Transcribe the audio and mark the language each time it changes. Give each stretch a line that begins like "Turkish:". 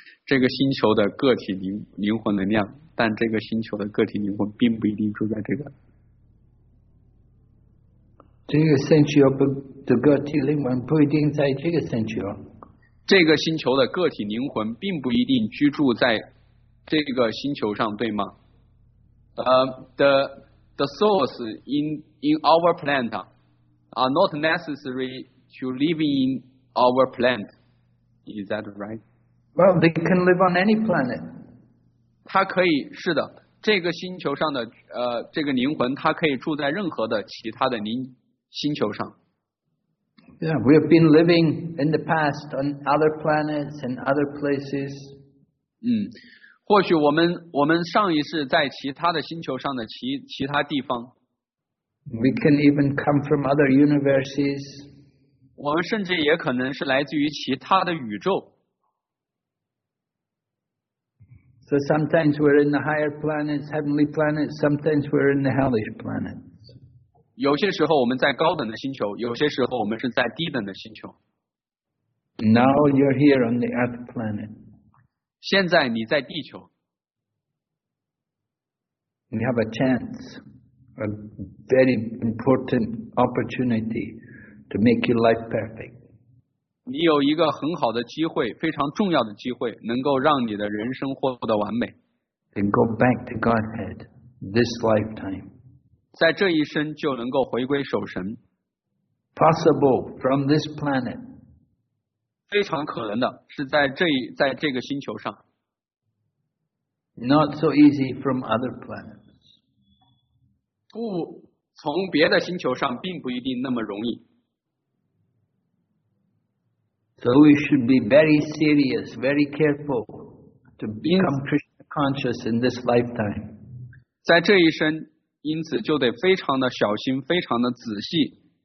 Chinese: 这个星球的个体灵魂能量，但这个星球的个体灵魂并不一定住在这个。这个星球的个体灵魂不一定在这个星球。这个星球的个体灵魂并不一定居住在这个星球上，对吗？
English: The souls in our planet are not necessary to live in our planet. Is that right? Well, they can live on any planet.
Chinese: 它可以，是的，这个星球上的这个灵魂，它可以住在任何的其他的星球上。
English: Yeah, we have been living in the past on other planets and other places.
Chinese: 或许我们上一世在其他的星球上的其他地方。
English: We can even come from other universes.
Chinese: 我们甚至也可能是来自于其他的宇宙。
English: So sometimes we're in the higher planets, heavenly planets. Sometimes we're in the hellish planets.
Chinese: 有些时候我们在高等的星球，有些时候我们是在低等的星球。
English: Now you're here on the Earth planet.
Chinese: 现在你在地球。
English: You have a chance, a very important opportunity to make your life perfect.
Chinese: 你有一个很好的机会，非常重要的机会，能够让你的人生获得完美。
English: Then go back to Godhead this lifetime.
Chinese: 在这一生就能够回归守神。
English: Possible from this planet.
Chinese: 非常可能的是在这个星球上。
English: Not so easy from other planets.
Chinese: 不，从别的星球上并不一定那么容易。
English: So we should be very serious, very careful to become Krishna conscious in this lifetime.
Chinese: 在这一生因此就得非常的小心，非常的仔细。